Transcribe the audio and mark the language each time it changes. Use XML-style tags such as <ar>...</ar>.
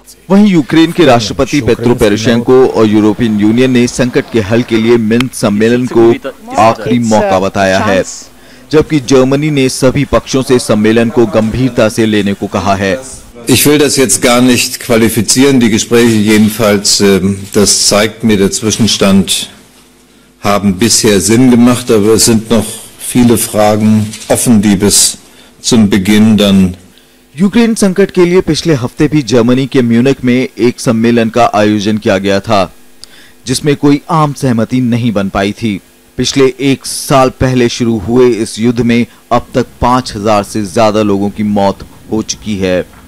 <hi>वहीं यूक्रेन के राष्ट्रपति पेत्रो पोरोशेंको और यूरोपियन यूनियन ने संकट के हल के लिए मिंस्क सम्मेलन को आखिरी मौका बताया है, जबकि जर्मनी ने सभी पक्षों से सम्मेलन को गंभीरता से लेने को कहा है।</hi> <de>Ich will das jetzt gar nicht qualifizieren, die Gespräche jedenfalls, das zeigt mir, der Zwischenstand haben bisher Sinn gemacht, aber es sind noch viele Fragen offen, die bis zum Beginn dann.</de> <hi>Ukraine संकट के लिए पिछले हफ्ते भी Germany के Munich में एक सम्मेलन का आयोजन किया गया था, जिसमें कोई आम सहमति नहीं बन पाई थी। पिछले एक साल पहले शुरू हुए इस युद्ध में अब तक 5,000 से ज्यादा लोगों की मौत हो चुकी है।</hi>